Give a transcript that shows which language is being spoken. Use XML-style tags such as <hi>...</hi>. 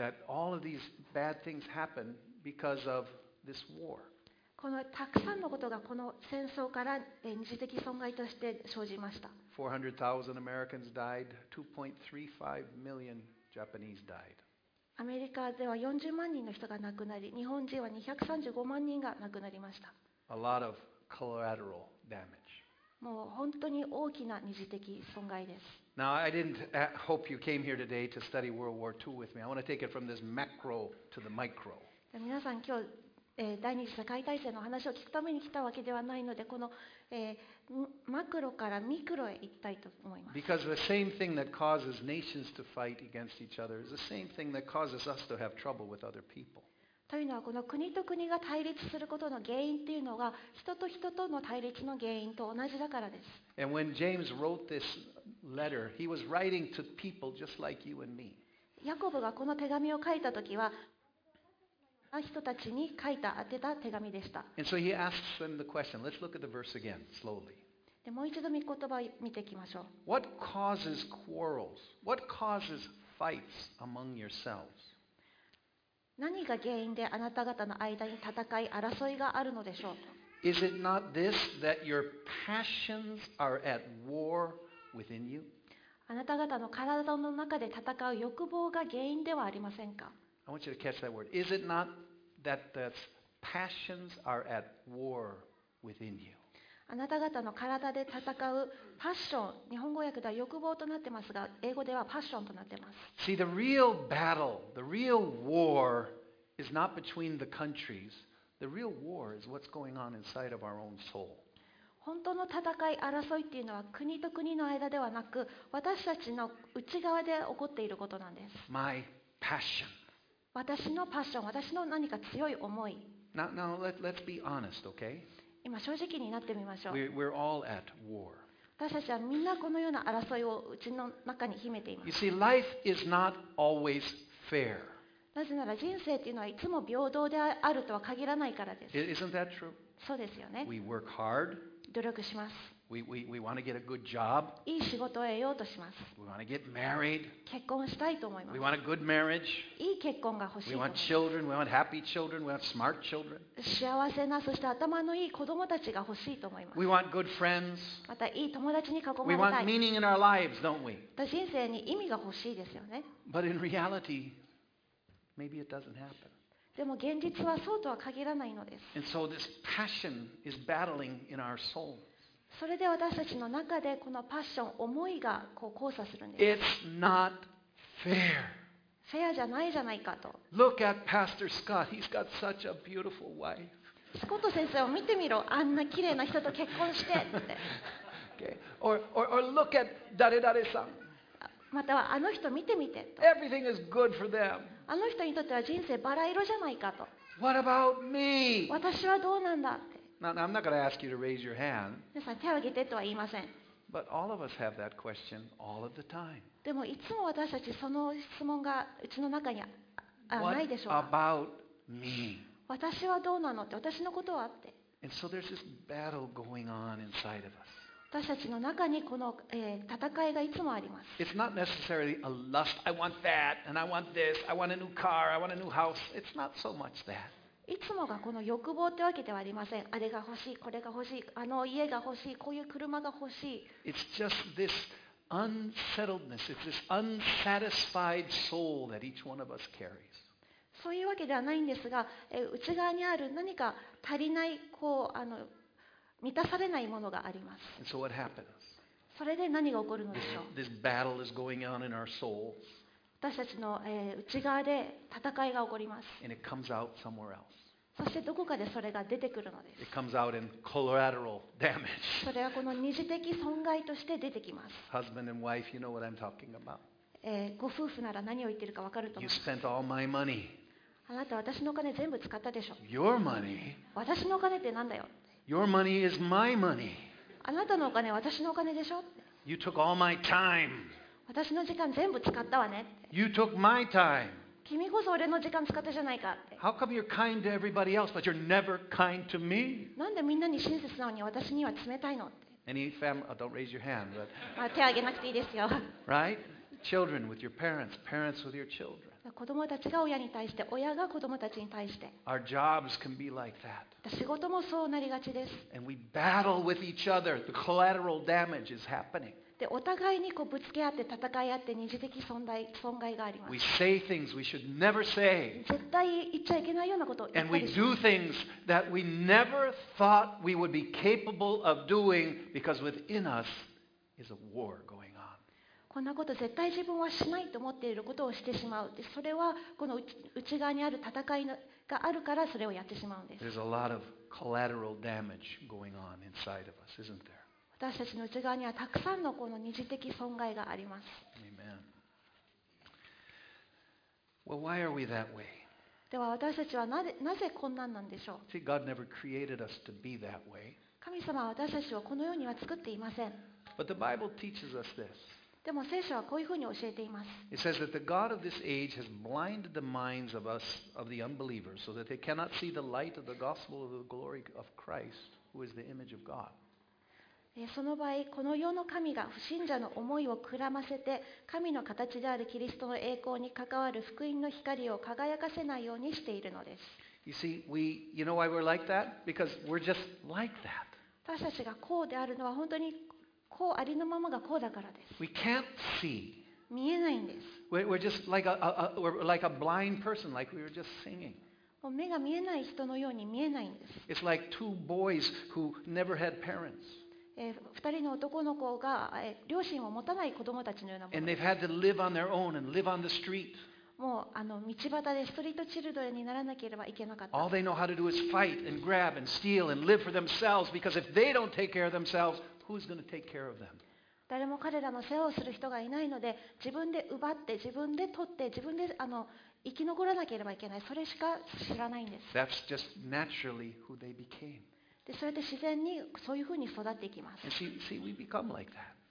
<en>That all of these bad things happen because of this war.</en> <ja>このたくさんのことがこの戦争から二次的損害として生じました。</ja> <en>400,000 Americans died. 2.35 million Japanese died.</en> <ja>アメリカでは40万人の人が亡くなり、日本人は235万人が亡くなりました。</ja> <en>A lot of collateral damage.</en> <ja>もう本当に大きな二次的損害です。</ja> <en>Now I didn't hope you came here today to study World War II with me. I want to take it from this macro to the micro.</en> <ja>皆さん今日第二次世界大戦の話を聞くために来たわけではないので、この、マクロからミクロへ行きたいと思います。</ja> <en>Because the same thing that causes nations to fight against each other is the same thing that causes us to have trouble with other people.</en> <ja>というのは、この国と国が対立することの原因というのが、人と人との対立の原因と同じだからです。</ja> <en>And when James wrote this letter, he was writing to people just like you and me.</en> <ja>ヤコブがこの手紙を書いたときは、人たちに書いた宛てた手紙でした。</ja> <en>And so he asks them the question. Let's look at the verse again, slowly.</en> <ja>でもう一度御言葉を見ていきましょう。</ja> <en>What causes quarrels? What causes fights among yourselves?</en> <ja>何が原因であなた方の間に戦い争いがあるのでしょう。</ja> <en>Is it not this that your passions are at war within you?</en> <ja>あなた方の体の中で戦う欲望が原因ではありませんか。</ja> <en>I want you to catch that word. Is it not that the passions are at war within you?</en> <ja>あなた方の体で戦うパッション、日本語訳では欲望となってますが、英語ではパッションとなってます。</ja> <en>See, the real battle, the real war is not between the countries. The real war is what's going on inside of our own soul.</en> <ja>本当の戦い争いっていうのは国と国の間ではなく、私たちの内側で起こっていることなんです。</ja> <en>My passion.</en> <ja>私のパッション、私の何か強い思い。</ja> <en>Now, let's be honest, okay?</en> <ja>今正直になってみましょう。</ja> <en>We're all at war.</en> <ja>私たちはみんなこのような争いをうちの中に秘めています。</ja> <en>You see, life is not always fair.</en> <ja>なぜなら人生っていうのはいつも平等であるとは限らないからです。</ja> <en>Isn't that true?</en> <ja>そうですよね。</ja> <en>We work hard.</en> <ja>努力します。</ja> <en>We want to get a good job.</en> <ja>いい仕事を得ようとします。</ja> <en>We want to get married.</en> <ja>結婚したいと思います。</ja> <en>We want a good marriage.</en> <ja>いい結婚が欲しい。</ja> <en>We want children. We want happy children. We want smart children.</en> <ja>幸せな、そして頭のいい子供たちが欲しいと思います。</ja> <en>We want good friends.</en> <ja>またいい友達に囲まれたい。</ja> <en>We want meaning in our lives, don't we?</en> <ja>人生に意味が欲しいですよね。</ja> <en>But in reality, maybe it doesn't happen.</en> <ja>でも現実はそうとは限らないのです。</ja> <en>And so this passion is battling in our soul.</en> <ja>それで私たちの中でこのパッション、思いがこう交差するんです。</ja> <en>It's not fair.</en> <ja>フェアじゃないじゃないかと。</ja> <en>Look at Pastor Scott. He's got such a beautiful wife.</en> <ja>スコット先生を見てみろ。あんな綺麗な人と結婚してって。</ja> <en>Okay. Or look at</en> <ja>誰々さん。またはあの人見てみてと。</ja> <en>Everything is good for them.</en> <ja>あの人にとっては人生バラ色じゃないかと。</ja> <en>What about me?</en> <ja>私はどうなんだ。</ja> <en>Now, I'm not going to ask you to raise your hand.</en> <ja>皆さん手を挙げてとは言いません。</ja> <en>But all of us have that question all of the time.</en> <ja>でもいつも私たちその質問がうちの中にないでしょうか。</ja> <en>What about me?</en> <ja>私はどうなのって、私のことはって。</ja> <en>And so there's this battle going on inside of us.</en> <ja>私たちの中にこの、戦いがいつもあります。</ja> <en>It's not necessarily a lust. I want that and I want this. I want a new car. I want a new house. It's not so much that.</en> <ja>いつもがこの欲望ってわけではありません。あれが欲しい、これが欲しい、あの家が欲しい、こういう車が欲しい。</ja> <en>It's just this unsettledness, it's this unsatisfied soul that each one of us carries.</en> <ja>そういうわけではないんですが、内側にある何か足りない、こう満たされないものがあります。</ja> <en>And so what happens?</en> <ja>それで何が起こるのでしょう。</ja> <en>This battle is going on in our souls.</en> <ja>私たちの、内側で戦いが起こります。</ja> <en>And it comes out somewhere else.</en> <ja>そしてどこかでそれが出てくるのです。</ja> <en>It comes out in collateral damage.</en> <ja>それはこの二次的損害として出てきます。</ja> <en>Husband and wife, you know what I'm talking about.</en> <ja>ご夫婦なら何を言ってるか分かると思います。</ja> <en>You spent all my money.</en> <ja>あなた私のお金全部使ったでしょ。</ja> <en>Your money.</en> <ja>私のお金ってなんだよ。</ja> <en>Your money is my money.</en> <ja>あなたのお金は私のお金でしょ。</ja> <en>You took all my time.</en> <ja>私の時間全部使ったわね。</ja> <en>You took my time.</en> <ja>君こそ俺の時間使ったじゃないかって。</ja> <en>How come you're kind to everybody else, but you're never kind to me?</en> <ja>なんでみんなに親切なのに私には冷たいのって。</ja> <en>Don't raise your hand, but</en> <ja>手挙げなくていいですよ。</ja> <en>Right? Children with your parents, parents with your children.</en> <ja>子供たちが親に対して、親が子供たちに対して。</ja> <en>Our jobs can be like that.</en> <ja>仕事もそうなりがちです。</ja> <en>And we battle with each other. The collateral damage is happening.</en> <ja>でお互いにこうぶつけ合って戦い合って二次的損害があります。</ja> <en>We say things we should never say.</en> <ja>絶対言っちゃいけないようなことを言ったりします。</ja> <en>And we do things that we never thought we would be capable of doing because within us is a war going on.</en> <ja>こんなこと絶対自分はしないと思っていることをしてしまう。でそれはこの内側にある戦いがあるからそれをやってしまうんです。</ja> <en>There's a lot of collateral damage going on inside of us, isn't there?</en> <ja>私たちの内側にはたくさんのこの二次的損害があります。</ja> <en>Amen. Well, why are we that way?</en> <ja>では私たちはなぜこんなんなんでしょう。</ja> <en>See, God never created us to be that way.</en> <ja>神様は私たちをこのようには作っていません。</ja> <en>But the Bible teaches us this.</en> <ja>でも聖書はこういうふうに教えています。</ja> <en>It says that the God of this age has blinded the minds of us, of the unbelievers, so that they cannot see the light of the gospel of the glory of Christ, who is the image of God.</en> <ja>その場合この世の神が不信者の思いをくらませて神の形であるキリストの栄光に関わる福音の光を輝かせないようにしているのです。</ja> <en>You see, you know why we're like that? Because we're just like that.</en> <ja>私たちがこうであるのは本当にこうありのままがこうだからです。</ja> <en>We can't see.</en> <ja>見えないんです。</ja> <en>We're just like a blind person, like we were just singing.</en> <ja>もう目が見えない人のように見えないんです。</ja> <en>It's like two boys who never had parents.</en> <ja>二人の男の子が両親を持たない子供たちのようなものです。</ja> <en>And they've had to live on their own and live on the street.</en> <ja>もう道端でストリートチルドレンにならなければいけなかった。</ja> <en>All they know how to do is fight and grab and steal and live for themselves because if they don't take care of themselves, who's going to take care of them?</en> <ja>誰も彼らの世話をする人がいないので、自分で奪って、自分で取って、自分で生き残らなければいけない。それしか知らないんです。</ja> <en>That's just naturally who they became.</en> <ja>でそれで自然にそういうふうに育っていきます。</ja> <en>see, we become like that.</en>